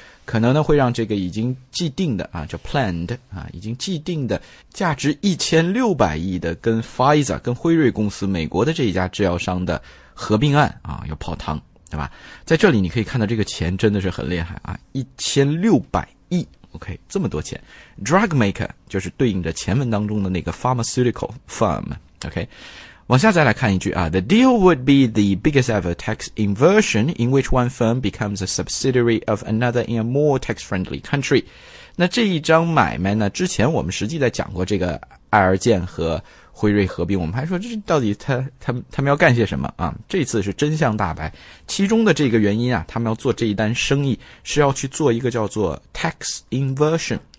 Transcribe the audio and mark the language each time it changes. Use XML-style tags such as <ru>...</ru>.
<zh>可能呢会让这个已经既定的啊叫 planned 啊已经既定的价值1600亿的跟 Pfizer 跟辉瑞公司美国的这一家制药商的合并案啊要泡汤，对吧？在这里你可以看到这个钱真的是很厉害啊，1600亿， OK， 这么多钱。</zh> <en>drug maker</en> <zh>就是对应着前文当中的那个</zh> <en>pharmaceutical firm，</en> <zh>OK。往下再来看一句啊，</zh> <en>The deal would be the biggest ever tax inversion in which one firm becomes a subsidiary of another in a more tax-friendly country.</en> <zh>那这一张买卖呢，之前我们实际在讲过这个爱尔健和辉瑞合并，我们还说这到底他们要干些什么啊，这次是真相大白。其中的这个原因啊，他们要做这一单生意是要去做一个叫做 tax inversion。</zh>